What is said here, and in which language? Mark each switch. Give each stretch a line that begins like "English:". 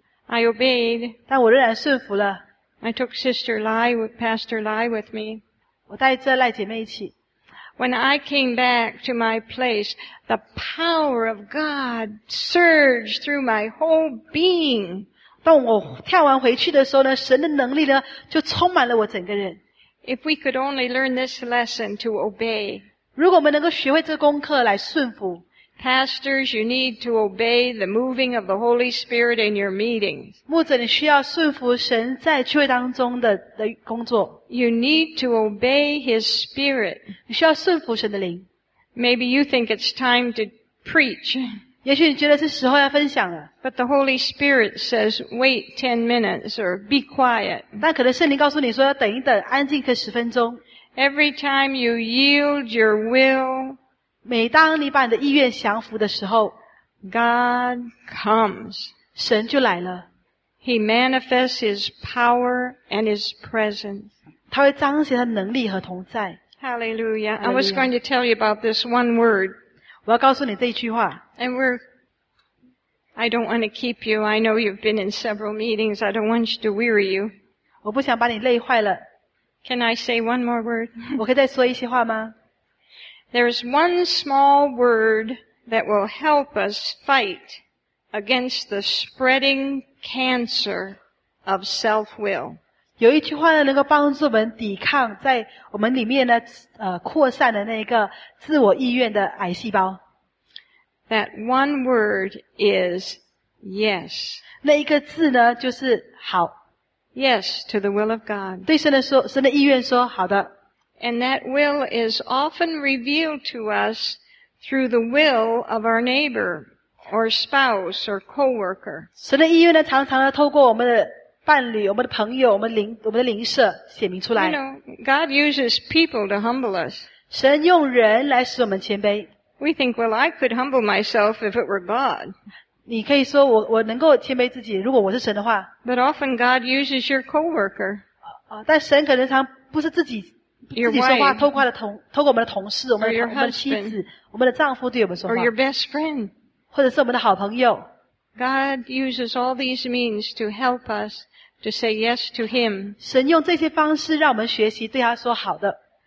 English: I obeyed.
Chinese: 但我仍然顺服了。
English: I took Sister Lai, Pastor Lai with me.
Chinese: 我带着赖姐妹一起。
English: When I came back to my place, the power of God surged through my whole being.
Chinese: 当我跳完回去的时候呢，神的能力呢就充满了我整个人。
English: If we could only learn this lesson to obey,
Chinese: 如果我们能够学会这个功课来顺服。
English: Pastors, you need to obey the moving of the Holy Spirit in your meetings.
Chinese: 牧者，你需要顺服神在聚会当中的工作。
English: You need to obey His Spirit.
Chinese: 你需要顺服神的灵。
English: Maybe you think it's time to preach.
Chinese: 也许你觉得是时候要分享了。
English: But the Holy Spirit says, wait 10 minutes or be quiet.
Chinese: 但可能圣灵告诉你说要等一等，安静个十分钟。
English: Every time you yield your will,
Chinese: 每当你把你的意愿降服的时候，
English: God comes.
Chinese: 神就来了。
English: He manifests His power and His presence.
Chinese: 他会彰显他的能力和同在。
English: Hallelujah. I was going to tell you about this one word.
Chinese: 我要告诉你这一句话。
English: And I don't want to keep you. I know you've been in several meetings. I don't want you to weary you.
Chinese: 我不想把你累坏了。
English: Can I say one more word?
Chinese: 我可以再说一些话吗？
English: There's one small word that will help us fight against the spreading cancer of self-will.
Chinese: 有一句话呢，能够帮助我们抵抗在我们里面呢，扩散的那个自我意愿的癌细胞。
English: That one word is yes.
Chinese: 那一个字呢，就是好。
English: Yes to the will of God.
Chinese: 对神的说，神的意愿说好的。
English: And that will is often revealed to us through the will of our neighbor or spouse or co-worker.
Chinese: 神的意愿呢，常常呢透过我们的伴侣、我们的朋友、我们的邻舍显明出来。
English: You know, God uses people to humble us.
Chinese: 神用人来使我们谦卑。
English: We think, well, I could humble myself if it were God.
Chinese: 你可以说我能够谦卑自己，如果我是神的话。
English: But often God uses your co-worker.
Chinese: 但神可能常不是自己。
English: Your wife,
Chinese: 自己说话透过我们的同事
English: your husband,
Chinese: 我们的妻子我们的丈夫对我们说话
English: or your best friend,
Chinese: 或者是我们的好朋友
English: God uses all these means to help us to say yes to Him
Chinese: 神用这些方式让我们学习对他说好的